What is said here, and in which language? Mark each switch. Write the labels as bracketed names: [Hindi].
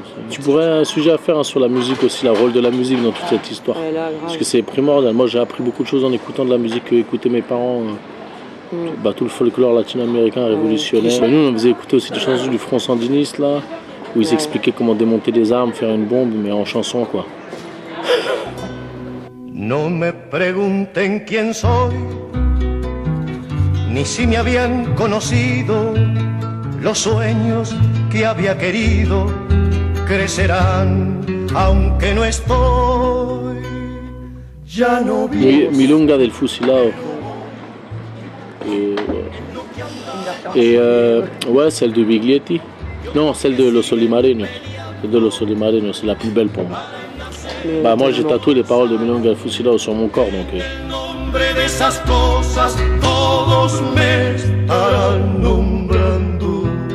[French] Tu pourrais un sujet à faire hein, sur la musique aussi, le rôle de la musique dans toute cette histoire. Ouais, là, parce que c'est primordial. Moi j'ai appris beaucoup de choses en écoutant de la musique que écoutaient mes parents. Bah, tout le folklore latino-américain révolutionnaire. Ouais. Nous on faisait écouter aussi des chansons du Front Sandiniste là, où ils expliquaient comment démonter des armes, faire une bombe, mais en chanson quoi. [Spanish] No me pregunten quién soy. Ni si me habían conocido, los sueños que había querido crecerán, aunque no estoy, ya no vivo. Milonga del fusilado. [French] Ouais, celle de Biglietti. Non, celle de Los Olimareños. Celle de Los Olimareños, c'est la plus belle pour moi. Bah, moi, j'ai tatoué les paroles de Milonga del fusilado sur mon corps, donc... [Spanish] Todos me estarán nombrando.